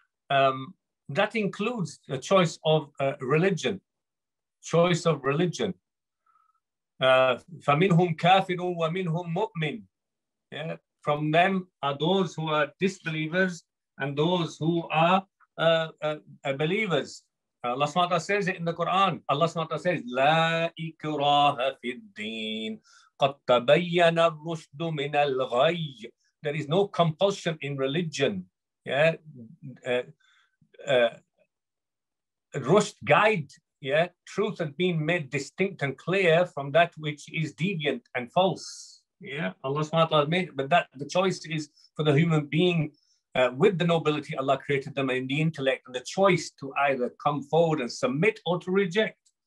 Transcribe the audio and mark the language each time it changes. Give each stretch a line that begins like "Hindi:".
English: That includes the choice of religion, choice of religion.
Arabic: فَمِنْهُمْ كَافِرٌ وَمِنْهُمْ مُؤْمِنٌ.
English: Yeah, from them are those who are disbelievers and those who are believers. Allah SWT says it in the Quran. Allah SWT says,
Arabic: لَا إِكْرَاهَ فِي الدِّينِ قَدْ تَبَيَّنَ الرُّشْدُ مِنَ الْغَيِّ.
English: There is no compulsion in religion. Yeah. Rushd guide, yeah, truth has been made distinct and clear from that which is deviant and false. Yeah, Allah subhanahu wa ta'ala has made it, but that the choice is for the human being with the nobility Allah created them in the intellect and the choice to either come forward and submit or to reject.